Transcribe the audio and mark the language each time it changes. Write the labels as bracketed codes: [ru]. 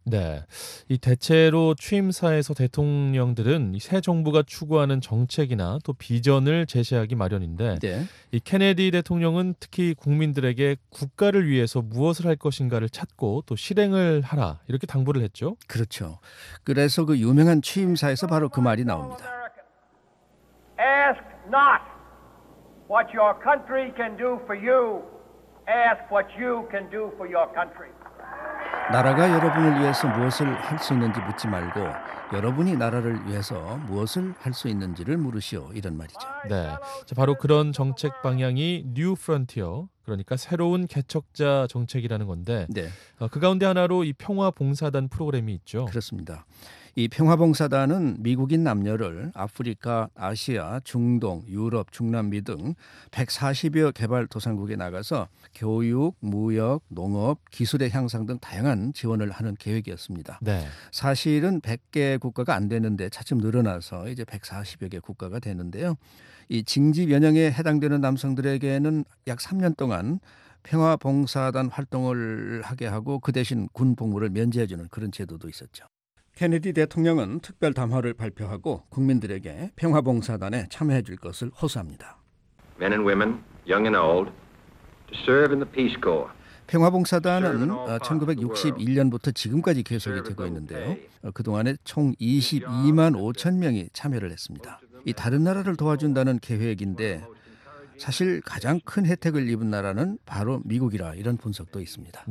[ko] 네, 이 대체로 취임사에서 대통령들은 새 정부가 추구하는 정책이나 또 비전을 제시하기 마련인데 네. 이 케네디 대통령은 특히 국민들에게 국가를 위해서 무엇을 할 것인가를 찾고 또 실행을 하라 이렇게 당부를 했죠. 그렇죠. 그래서 그 유명한 취임사에서 바로 그 말이 나옵니다. [en] Ask not what your country can do for you. Ask what you can do for your country. [ko] 나라가 여러분을 위해서 무엇을 할 수 있는지 묻지 말고 여러분이 나라를 위해서 무엇을 할 수 있는지를 물으시오 이런 말이죠. 네, 자, 바로 그런 정책 방향이 New Frontier 그러니까 새로운 개척자 정책이라는 건데 네. 그 가운데 하나로 이 평화봉사단 프로그램이 있죠. 그렇습니다. 이 평화봉사단은 미국인 남녀를 아프리카, 아시아, 중동, 유럽, 중남미 등 140여 개발 도상국에 나가서 교육, 무역, 농업, 기술의 향상 등 다양한 지원을 하는 계획이었습니다. 네. 사실은 100개 국가가 안 되는데 차츰 늘어나서 이제 140여 개 국가가 되는데요. 이 징집 연행에 해당되는 남성들에게는 약 3년 동안 평화봉사단 활동을 하게 하고 그 대신 군 복무를 면제해주는 그런 제도도 있었죠. 케네디 대통령은 특별 담화를 발표하고 국민들에게 평화봉사단에 참여해 줄 것을 호소합니다. [en] Men and women, young and old, to serve in the Peace Corps. [ko] 평화봉사단은 1961년부터 지금까지 계속이 되고 있는데요. 그동안에 총 22만 5천 명이 참여를 했습니다. 이 다른 나라를 도와준다는 계획인데 사실 가장 큰 혜택을 입은 나라는 바로 미국이라 이런 분석도 있습니다.